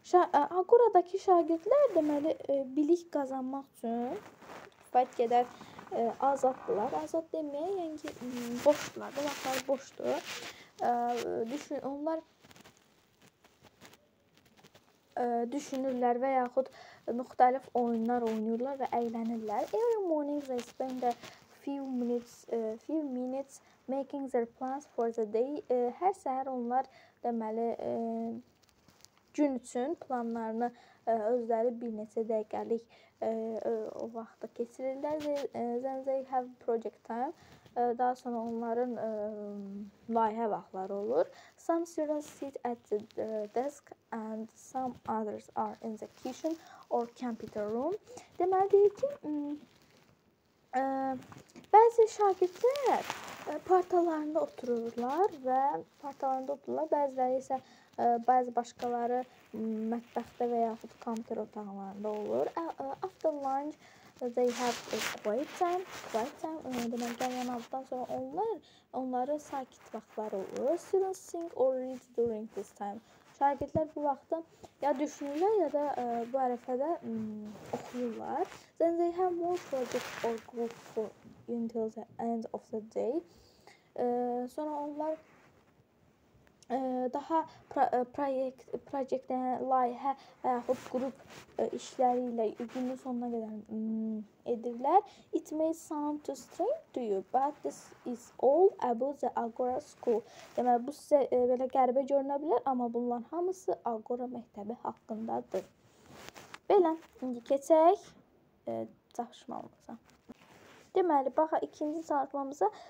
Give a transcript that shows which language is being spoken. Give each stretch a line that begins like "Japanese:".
Azerbaijani: Agora'dakı şagirdlər, deməli, bilik qazanmaq üçün bəlkə də azaddırlar. Azad deməyə, yəni ki, boşdurlar, vaxtlar boşdur. Düşünün, onlar düşünürlər və yaxud müxtəlif oyunlar oynayırlar və əylənirlər.
English: Every morning they spend a few minutes making their plans for the day.
Azerbaijani: Hər səhər onlar deməli gün üçün planlarını özləri bir neçə dəqiqəlik o vaxtda keçirirlər.
English: Then they have project time.
Azerbaijani: Daha sonra onların layihə vaxtları olur.
English: Some students sit at the desk and some others are in the kitchen or computer room.
Azerbaijani: Deməli deyir ki, bəzi şagirdlər partalarında otururlar və bəziləri isə bəzi başqaları mətbəxtdə və yaxud kompüter otaqlarında olur.
English: After lunch they have quiet time.
Azerbaijani: Deməli gələn altdan sonra onların sakit vaxtları olur.
English: Students think or read during this time.
Azerbaijani: Şagirdlər bu vaxtda ya düşünürlər ya da bu ərəfədə oxuyurlar.
English: Then they have more projects or group for until the end of the day.
Azerbaijani: Sonra onlar daha layihə və yaxud qrup işləri ilə günün sonuna qədər edirlər.
English: It may sound too strange to you, but this is all about the Agora school.
Azerbaijani: Deməli, bu sizə belə qəribə görünə bilər, amma bunların hamısı Agora məktəbi haqqındadır. Belə, indi keçək çalışmamıza. Deməli, baxa, ikinci çalışmamıza.